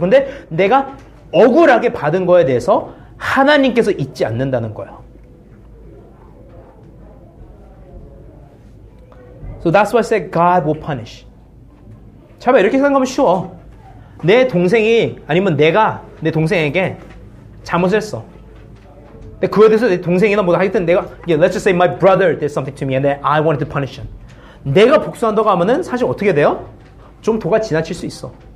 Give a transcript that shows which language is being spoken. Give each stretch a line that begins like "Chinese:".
Korean: 근데 내가 억울하게 받은 거에 대해서 하나님께서 잊지 않는다는 거야.
English: So that's why I said God will punish.
Korean: 잠깐만 이렇게 생각하면 쉬워. 내 동생이 아니면 내가 내 동생에게 잘못을 했어. 근데 그거에 대해서 내 동생이나 뭐 하여튼 내가
English: yeah, let's just say my brother did something to me and I wanted to punish him.
Korean: 내가 복수한다고 하면은 사실 어떻게 돼요? 좀 도가 지나칠 수 있어.